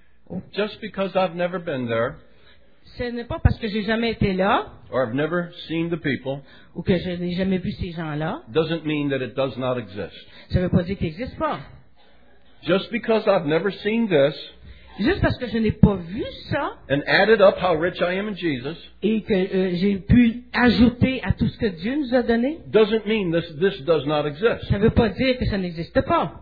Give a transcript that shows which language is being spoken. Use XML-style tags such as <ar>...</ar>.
<en>Oh. Just because I've never been there.</en> <fr>Ce n'est pas parce que j'ai jamais été là.</fr> <en>Or I've never seen the people.</en> <fr>Ou que je n'ai jamais vu ces gens-là.</fr> <en>Doesn't mean that it does not exist.</en> <fr>Ça ne veut pas dire qu'il n'existe pas.</fr> <en>Just because I've never seen this.</en> <fr>Juste parce que je n'ai pas vu ça.</fr> <en>And added up how rich I am in Jesus.</en> <fr>Et que j'ai pu ajouter à tout ce que Dieu nous a donné.</fr> <en>Doesn't mean this does not exist.</en> <fr>Ça ne veut pas dire que ça n'existe pas.</fr>